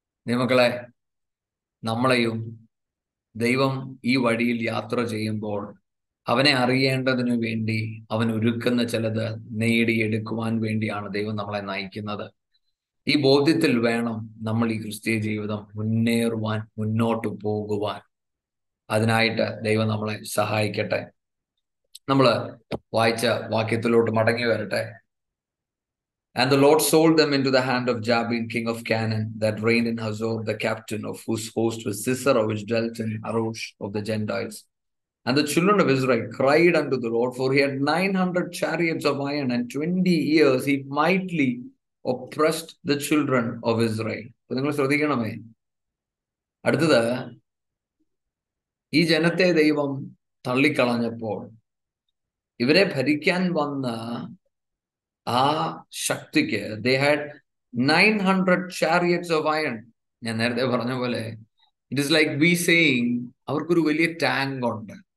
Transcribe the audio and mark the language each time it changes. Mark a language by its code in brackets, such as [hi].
[ml] നമ്മളെ, നമ്മളെയും ദൈവം ഈ വഴിയിൽ യാത്ര ചെയ്യുമ്പോൾ അവനെ അറിയേണ്ടതിനു വേണ്ടി അവൻ ഒരുക്കുന്ന ചിലത് നേടിയെടുക്കുവാൻ വേണ്ടിയാണ് ദൈവം നമ്മളെ നയിക്കുന്നത്. ഈ ബോധ്യത്തിൽ വേണം നമ്മൾ ഈ ക്രിസ്തീയ ജീവിതം മുന്നേറുവാൻ, മുന്നോട്ട് പോകുവാൻ. അതിനായിട്ട് ദൈവം നമ്മളെ സഹായിക്കട്ടെ. നമ്മൾ വായിച്ച വാക്യത്തിലോട്ട് മടങ്ങി വരട്ടെ. [en] And the Lord sold them into the hand of Jabin, king of Canaan, that reigned in Hazor, the captain of whose host was Sisera, which dwelt in Arosh of the Gentiles. And the children of Israel cried unto the Lord, for he had 900 chariots of iron, and 20 years he mightily oppressed the children of Israel. [ml] So, നിങ്ങൾ ശ്രദ്ധിക്കണമേ. അടുത്തത്, ഈ ജനത്തെ ദൈവം തള്ളിക്കളഞ്ഞപ്പോൾ ഇവരെ ഭരിക്കാൻ വന്ന ആ ശക്തിക്ക്, [en] They had 900 chariots of iron. [ml] ഞാൻ നേരത്തെ പറഞ്ഞ പോലെ [en] it is like be saying [ml] അവർക്കൊരു വലിയ ടാങ്ക് ഉണ്ട്.